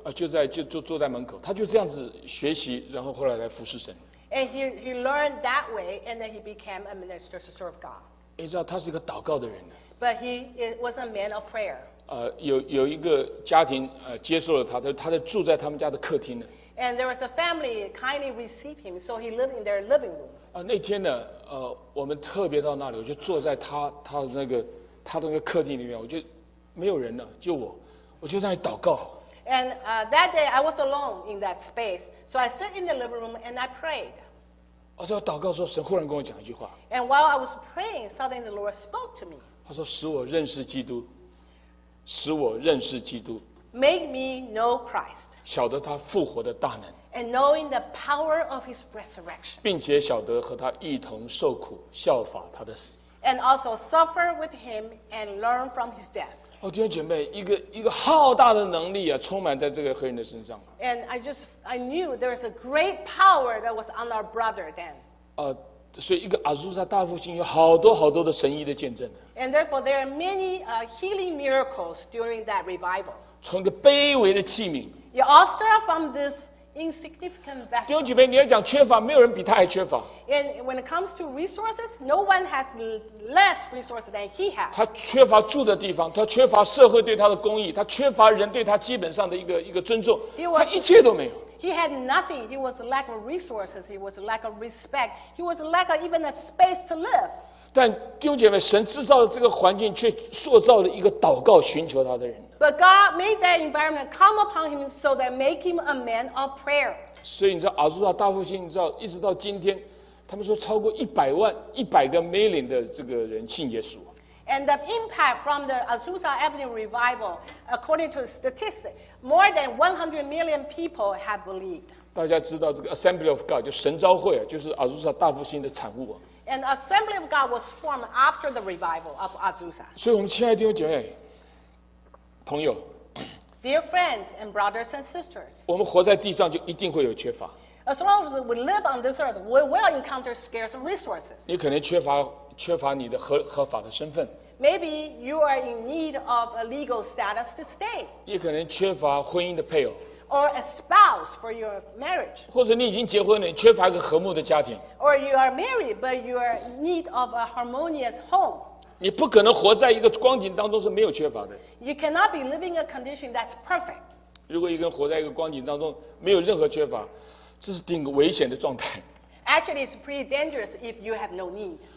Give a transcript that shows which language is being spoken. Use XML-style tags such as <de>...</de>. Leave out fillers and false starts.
<zh>就坐在门口，他就这样子学习，然后后来来服侍神。</zh> <en>And he learned that way, and then he became a minister to serve God.</en> <zh>你知道他是一个祷告的人。</zh> <en>But he was a man of prayer.</en> <zh>有一个家庭接受了他，他在住在他们家的客厅呢。</zh> <en>And there was a family kindly received him, so he lived in their living room.</en> <zh>那天呢，我们特别到那里，我就坐在他的那个客厅里面，我就没有人了，就我就在那里祷告。</zh> <en>And that day I was alone in that space, so I sat in the living room and I prayed.</en> <zh>我在祷告的时候，神忽然跟我讲一句话。</zh> <en>And while I was praying, suddenly the Lord spoke to me.</en> <zh>他说：“使我认识基督，使我认识基督。”</zh> <en>Make me know Christ.</en> <zh>晓得他复活的大能。</zh> <en>And knowing the power of his resurrection.</en> <zh>并且晓得和他一同受苦，效法他的死。</zh> <en>And also suffer with him and learn from his death.</en> <zh>哦，弟兄姐妹，一个浩大的能力啊，充满在这个黑人的身上。</zh> <en>And I knew there was a great power that was on our brother then.</en> <zh>所以一个阿苏萨大复兴有好多好多的神医的见证的。</zh> <en>And therefore there are many healing miracles during that revival.</en> <zh>从一个卑微的器皿。</zh> <en>You all start from this insignificant vessel.</en> <zh>弟兄姐妹，你要讲缺乏，没有人比他还缺乏。</zh> <en>And when it comes to resources, no one has less resources than he has.</en> <zh>他缺乏住的地方，他缺乏社会对他的公益，他缺乏人对他基本上的一个尊重，他一切都没有。</zh> <en>He had nothing. He was lack of resources. He was lack of respect. He was lack of even a space to live.</en> <zh>但弟兄姐妹，神制造的这个环境却塑造了一个祷告寻求他的人。</zh> <en>But God made that environment come upon him so that make him a man of prayer.</en> <zh>所以你知道阿苏萨大复兴，你知道一直到今天，他们说超过100个 million 的这个人信耶稣。</zh> <en>And the impact from the Azusa Avenue revival, according to statistics, more than 100 million people have believed.</en> <zh>大家知道这个 Assembly of God 就神召会啊，就是 Azusa 大复兴的产物啊。</zh> <en>And Assembly of God was formed after the revival of Azusa.</en> <zh>所以我们亲爱的弟兄姐妹、朋友</zh> <en>，Dear friends and brothers and sisters,</en> <zh>我们活在地上就一定会有缺乏。</zh> <en>As long as we live on this earth, we will encounter scarce resources.</en> <zh>你可能缺乏你的合法的身份。</zh> <en>Maybe you are in need of a legal status to stay.</en> <zh>你可能缺乏婚姻的配偶。</zh> <en>Or a spouse for your marriage.</en> <zh>或者你已经结婚了，你缺乏一个和睦的家庭。</zh> <en>Or you are married, but you are in need of a harmonious home.</en> <zh>你不可能活在一个光景当中是没有缺乏的。</zh> <en>You cannot be living a condition that's perfect.</en> <zh>如果一个人活在一个光景当中没有任何缺乏，这是挺危险的状态。</zh> <en>Actually, it's pretty dangerous if you have no need.</en>